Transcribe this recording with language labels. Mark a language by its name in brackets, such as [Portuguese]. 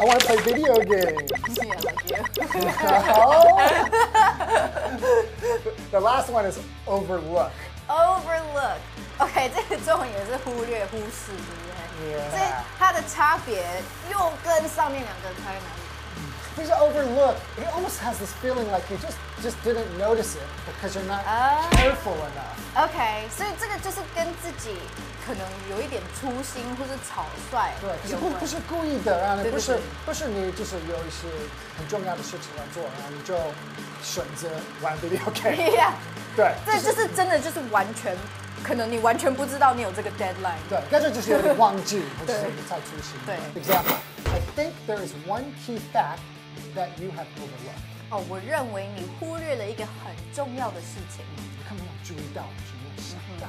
[English] I want to play video games. Yeah, I do. The last one is overlook. Overlook. [Chinese] OK, 这个中文也是忽略、忽视，对不对？ [English] Yeah. [Chinese] 所以它的差别又跟上面两个差在哪里？就是 [English] overlook, it almost has this feeling like you just didn't notice it because you're not careful enough. [Chinese] Okay, 所以这个就是跟自己可能有一点粗心或是草率。对，可是不是故意的，然后不是你就是有一些很重要的事情要做，然后你就选择玩 video game。 [English] Yeah. [Chinese] 对，这就是真的就是完全，可能你完全不知道你有这个 deadline。对，干脆就是有点忘记，或者是太粗心。对 [English] ，example. I think there is one key fact that you have overlooked. [Chinese] Oh, 我认为你忽略了一个很重要的事情。你根本没有注意到，你没有想到。